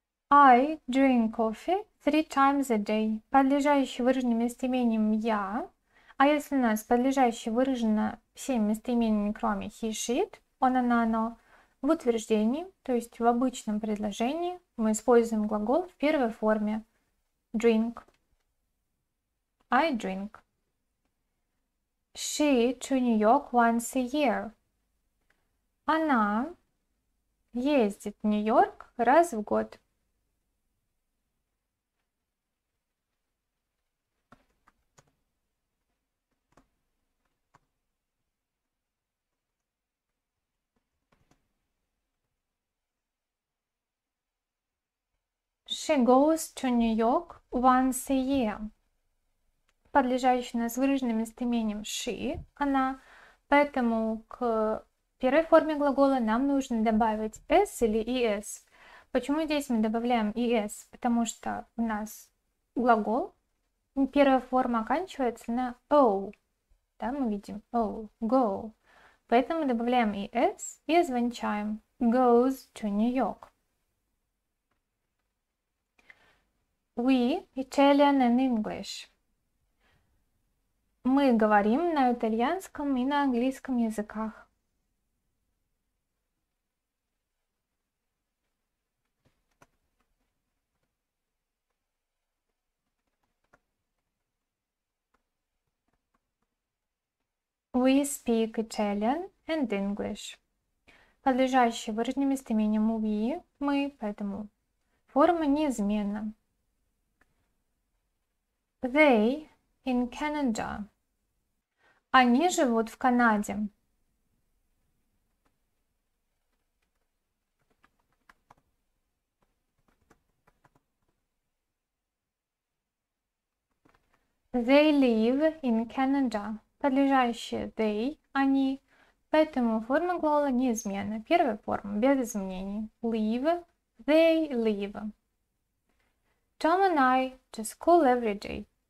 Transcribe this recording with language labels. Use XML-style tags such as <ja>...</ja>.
<en>I drink coffee 3 times a day.</en> <ru>Подлежащее выражено местоимением «я». А если у нас подлежащее выражено всеми местоимениями, кроме</ru> <en>he, she, it,</en> <ru>он, она, оно, в утверждении, то есть в обычном предложении, мы используем глагол в первой форме drink.</ru> <en>I drink. She to New York once a year.</en> <ru>Она ездит в Нью-Йорк раз в год.</ru> <en>She goes to New York once a year.</en> <ru>Подлежащее у нас выраженным местоимением she, она. Поэтому к первой форме глагола нам нужно добавить s или es. Почему здесь мы добавляем es? Потому что у нас глагол, первая форма оканчивается на o. Да, мы видим o, go. Поэтому добавляем es и звончаем</ru> <en>goes to New York. We, Italian and English.</en> <ru>Мы говорим на итальянском и на английском языках.</ru> <en>We speak Italian and English.</en> <ru>Подлежащее выражение местоимением we, мы, поэтому форма неизменна.</ru> <en>They in Canada.</en> <ru>Они живут в Канаде.</ru> <en>They live in Canada.</en> <ru>Подлежащее they, они. Поэтому форма глагола неизменна. Первая форма, без изменений.</ru> <en>Live, they live. Tom and I to school every day.</en>